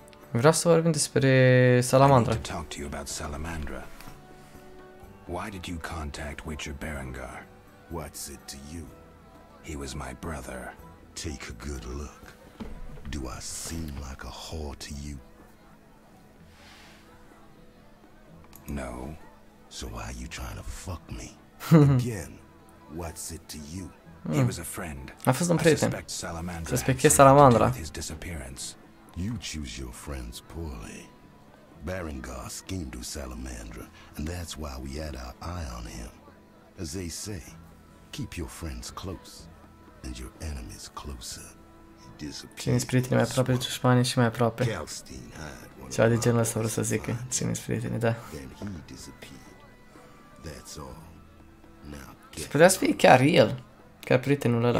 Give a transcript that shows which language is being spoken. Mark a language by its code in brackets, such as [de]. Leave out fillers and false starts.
[ro] Vreau să vorbim despre Salamandra. [en] I need to talk to you about Salamandra. Why did you contact Witcher Berengar? What's it to you? He was my brother. Take a good look. Do I seem like a whore to you? No. So why are you trying to fuck me? Again, what's it to you? He was a friend. [ro] A fost un prieten. Suspectez Salamandra. [en] His disappearance. You choose your friends poorly. Berengar schemed with Salamandra, and that's why we had our eye on him. As they say, keep your friends close, and your enemies closer. He disappeared. [ro] Ține-ți prietenii mai aproape, dușmanii și mai aproape. Ceva de genul ăsta vreau să zic. Ține-ți prietenii, da. [en] Then he disappeared. That's all. Now, [ro] se putea să fie chiar el, chiar prietenul ăla.